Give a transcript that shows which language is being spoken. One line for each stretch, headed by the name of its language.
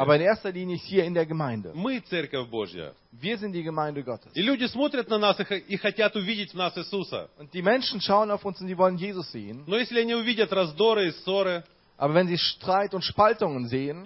German: Aber in erster Linie hier in der Gemeinde.
Russian: Мы церковь Божья.
German: Wir sind die Gemeinde Gottes.
Russian: И люди смотрят на нас и хотят увидеть в нас Иисуса.
German: Und die Menschen schauen auf uns und die wollen Jesus sehen.
Russian: Но если они увидят раздоры и ссоры.
German: Aber wenn sie Streit und Spaltungen sehen,